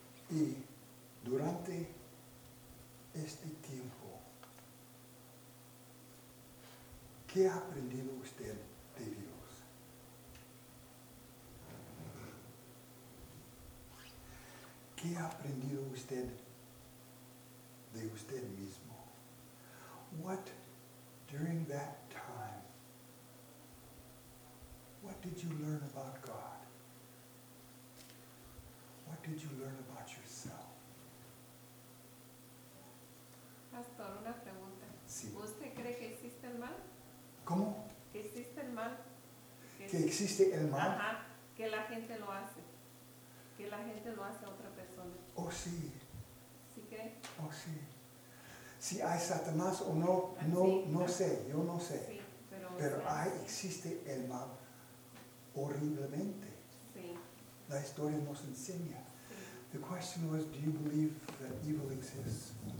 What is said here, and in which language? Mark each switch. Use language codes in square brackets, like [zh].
[es] Y durante este tiempo, ¿qué ha aprendido usted de Dios? ¿Qué ha aprendido usted de usted mismo? [en] What, during that time, what did you learn about God? What did you learn about yourself? [es] Pastor, una pregunta. Sí. ¿Usted cree que existe el mal? ¿Cómo? Que existe el mal. ¿Que existe el mal? Ajá, que la gente lo hace. Que la gente lo hace a otra persona. Oh, sí. ¿Sí cree? Oh, sí. Si hay Satanás o no, no, sí, no sé, yo no sé. Sí, pero... Pero ahí existe el mal horriblemente. Sí. La historia nos enseña. Sí. [en] The question was, do you believe that evil exists?